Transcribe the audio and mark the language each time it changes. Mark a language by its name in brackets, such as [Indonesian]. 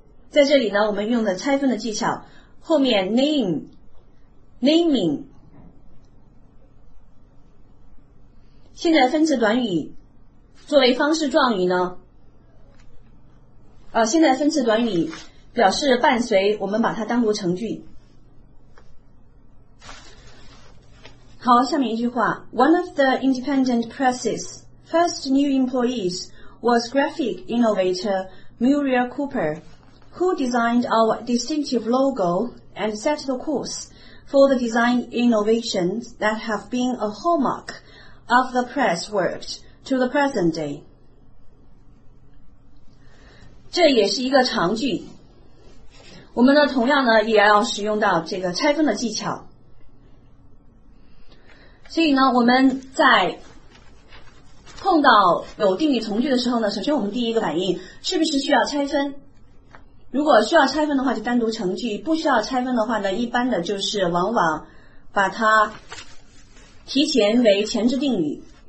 [Chinese] 在这里呢，我们用的拆分的技巧，后面 naming 现在分词短语作为方式状语呢，现在分词短语表示伴随，我们把它单独成句。好，下面一句话， [English] One of the independent press's first new employees was graphic innovator Muriel Cooper, who designed our distinctive logo and set the course for the design innovations that have been a hallmark of the press world to the present day. [Chinese] 这也是一个长句，我们呢同样呢也要使用到这个拆分的技巧。所以呢，我们在碰到有定语从句的时候呢，首先我们第一个反应是不是需要拆分，如果需要拆分的话就单独成句，不需要拆分的话呢，一般的就是往往把它提前为前置定语。